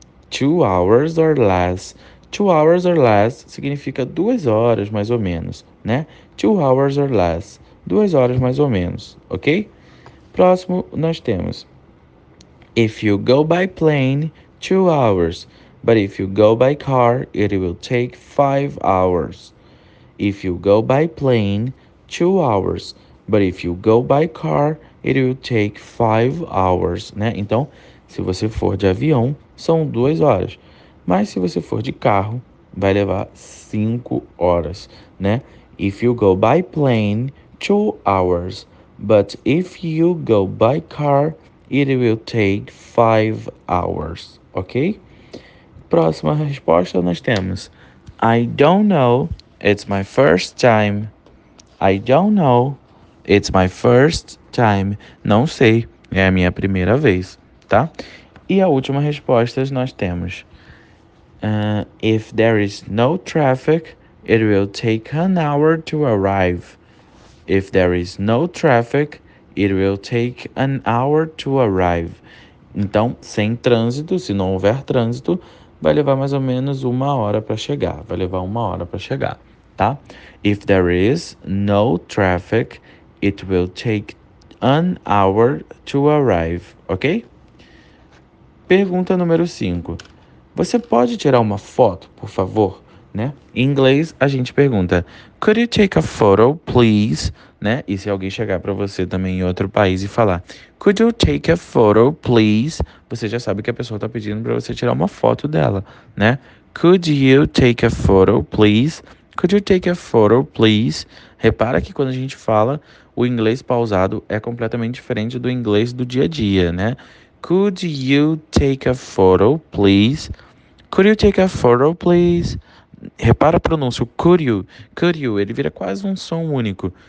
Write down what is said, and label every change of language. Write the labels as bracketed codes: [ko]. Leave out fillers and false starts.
[en] 2 hours or less. 2 hours or less [pt] significa 2 horas mais ou menos, né? [en] 2 hours or less. [pt] 2 horas mais ou menos, ok? Próximo nós temos: [en] If you go by plane, 2 hours. But if you go by car, it will take 5 hours. If you go by plane, 2 hours. But if you go by car, it will take 5 hours, né? [pt] Então, se você for de avião, são 2 horas. Mas se você for de carro, vai levar 5 horas, né? [en] If you go by plane, 2 hours. But if you go by car, it will take 5 hours. Ok? [pt] Próxima resposta nós temos: [en] I don't know, it's my first time. I don't know, it's my first time. [pt] Não sei, é a minha primeira vez, tá? E a última resposta nós temos: [en] If there is no traffic, it will take an hour to arrive. If there is no traffic, it will take an hour to arrive. [pt] Então, sem trânsito, se não houver trânsito, vai levar mais ou menos 1 hora para chegar. Vai levar 1 hora para chegar, tá? [en] If there is no traffic, it will take an hour to arrive, ok? [pt] Pergunta número 5. Você pode tirar uma foto, por favor, né? Em inglês a gente pergunta: [en] Could you take a photo, please? [pt] Né? E se alguém chegar para você também em outro país e falar: [en] Could you take a photo, please? [pt] Você já sabe que a pessoa está pedindo para você tirar uma foto dela, né? [en] Could you take a photo, please? [pt] Could you take a photo, please? Repara que quando a gente fala, o inglês pausado é completamente diferente do inglês do dia a dia, né? [en] Could you take a photo, please? Could you take a photo, please? [pt] Repara a pronúncia, [en] could you, [pt] ele vira quase um som único.